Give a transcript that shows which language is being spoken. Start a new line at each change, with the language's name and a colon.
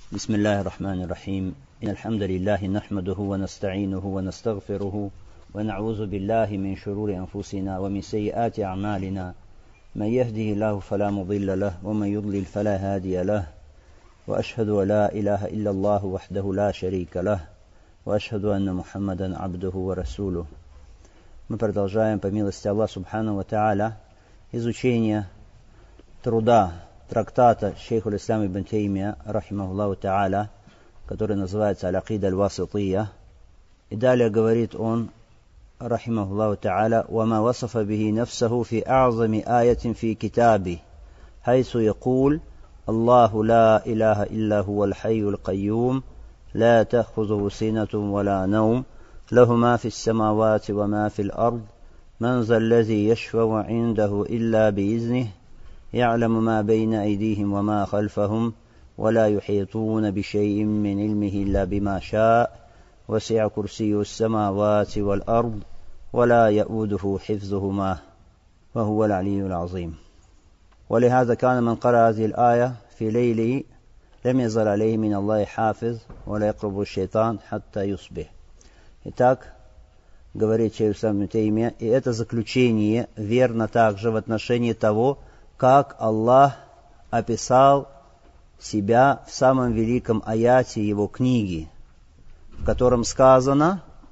Arabic: بسم الله الرحمن الرحيم إن الحمد لله نحمده ونستعينه ونستغفره ونعوذ بالله من شرور أنفسنا ومن سيئات أعمالنا من يهده الله فلا مضل له ومن يضلل فلا هادي له وأشهد أن لا إله إلا الله وحده لا شريك له وأشهد أن محمدا عبده ورسوله.
Russian: Мы продолжаем по милости Аллаха Субханаху ва Тааля изучение труда трактата шейху аль-Ислам ибн Таймия, рахимахуллаху тааля, который называется «Аль-Акида аль-Васития». И далее говорит он,
Arabic: рахимахуллаху тааля, «Вама васафа бихи нафсаху фи аъзами аятин фи китаби, хайсу якул, Аллаху ла илаха илля хуа л-хайю л-кайюм, ла тахузу синату вала наум, лаху ма фи ссамавати ва ма фи л-ард, ман заллази яшфау индаху илля би изних, يعلم ما بين أيديهم وما خلفهم ولا يحيطون بشيء من علمه إلا بما شاء وسع كرسي السماوات والأرض ولا يؤوده حفظهما وهو العلي العظيم. ولهذا كان من قرأ هذه الآية في ليله لم يزل عليه من الله حافظ ولا يقرب الشيطان حتى يصبح.
Russian: Итак, говорит шейх ибн Таймия, и это заключение верно также в отношении того, как Аллах описал себя в самом великом аяте его книги, в котором сказано: